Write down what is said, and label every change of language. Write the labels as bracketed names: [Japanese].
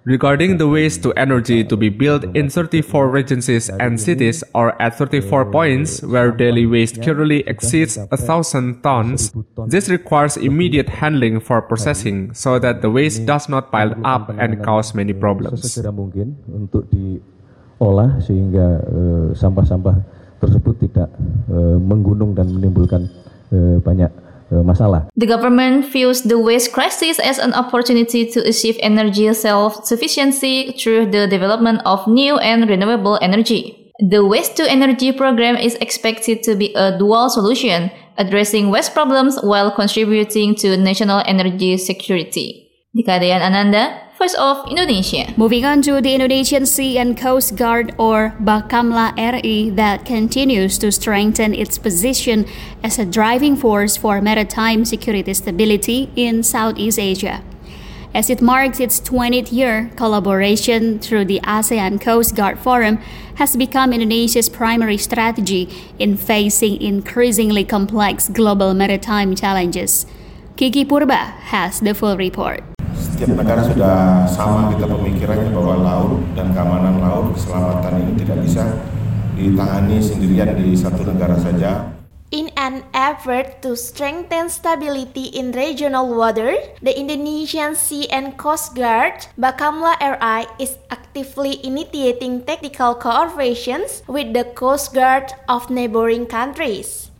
[English] Regarding the waste to energy to be built in 34 regencies and cities or at 34 points where daily waste currently exceeds 1,000 tons, this requires immediate handling for processing so that the waste does not pile up and cause many problems. [Indonesian] Untuk diolah sehingga sampah-sampah tersebut tidak menggunung dan menimbulkan banyak masalah. [English] The government views the waste crisis as an opportunity to achieve energy self-sufficiency through the development of new and renewable energy. The Waste to Energy program is expected to be a dual solution, addressing waste problems while contributing to national energy security. Dika Dean Ananda, Voice of Indonesia. Moving on to the Indonesian Sea and Coast Guard or Bakamla RI that continues to strengthen its position as a driving force for maritime security stability in Southeast Asia. As it marks its 20th year, collaboration through the ASEAN Coast Guard Forum has become Indonesia's primary strategy in facing increasingly complex global maritime challenges. Kiki Purba has the full report. [Indonesian] Setiap negara sudah sama kita pemikirannya bahwa laut dan keamanan laut, keselamatan ini tidak bisa ditangani sendirian di satu negara saja. [English] In an effort to strengthen stability in regional water, the Indonesian Sea and Coast Guard, Bakamla RI, is actively initiating technical cooperations with the Coast Guard of neighboring countries.